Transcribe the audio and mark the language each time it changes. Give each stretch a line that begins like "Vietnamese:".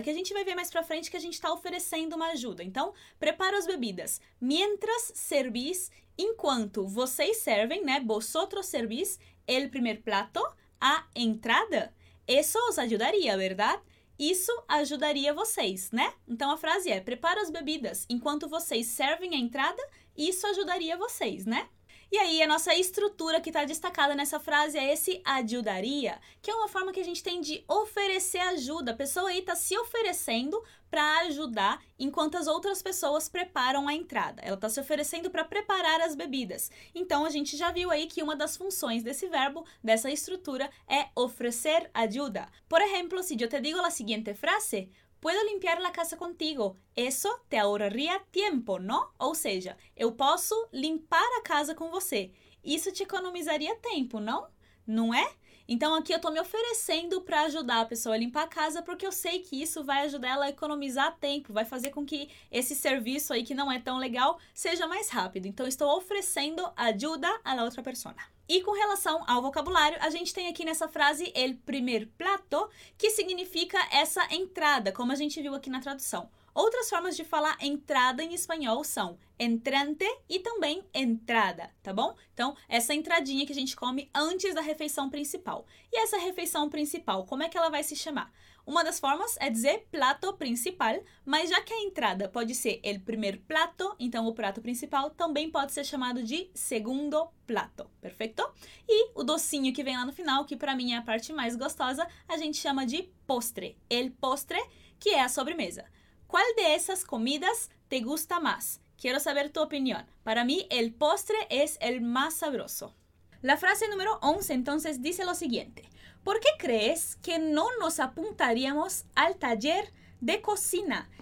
Portuguese: Aqui a gente vai ver mais pra frente que a gente está oferecendo uma ajuda. Então, preparo as bebidas.
Spanish: Mientras servís,
Portuguese: enquanto vocês servem, né?
Spanish: Vosotros servís el primer plato, a entrada. Eso os
Portuguese: ajudaria, verdade? Isso ajudaria vocês, né? Então, a frase é, preparo as bebidas. Enquanto vocês servem a entrada, isso ajudaria vocês, né? E aí, a nossa estrutura que está destacada nessa frase é esse ajudaria, que é uma forma que a gente tem de oferecer ajuda. A pessoa aí está se oferecendo para ajudar enquanto as outras pessoas preparam a entrada. Ela está se oferecendo para preparar as bebidas. Então, a gente já viu aí que uma das funções desse verbo, dessa estrutura, é oferecer ajuda. Por exemplo, se eu te digo a seguinte frase,
Spanish: Puedo limpiar la casa contigo. Eso te ahorraría tiempo, ¿no?
Portuguese: Ou seja, eu posso limpar a casa com você. Isso te economizaria tempo, não? Não é? Então, aqui eu estou me oferecendo para ajudar a pessoa a limpar a casa porque eu sei que isso vai ajudar ela a economizar tempo, vai fazer com que esse serviço aí que não é tão legal seja mais rápido. Então, estou oferecendo ajuda à outra pessoa. E com relação ao vocabulário, a gente tem aqui nessa frase el primer plato, que significa essa entrada, como a gente viu aqui na tradução. Outras formas de falar entrada em espanhol são entrante e também entrada, tá bom? Então, essa entradinha que a gente come antes da refeição principal. E essa refeição principal, como é que ela vai se chamar? Uma das formas é dizer plato principal, mas já que a entrada pode ser el primer plato, então o prato principal também pode ser chamado de segundo plato, perfeito? E o docinho que vem lá no final, que para mim é a parte mais gostosa, a gente chama de postre, el postre, que é a sobremesa.
Spanish: ¿Cuál de esas comidas te gusta más? Quiero saber tu opinión. Para mí, el postre es el más sabroso. La frase número 11, entonces, dice lo siguiente. ¿Por qué crees que no nos apuntaríamos al taller de cocina?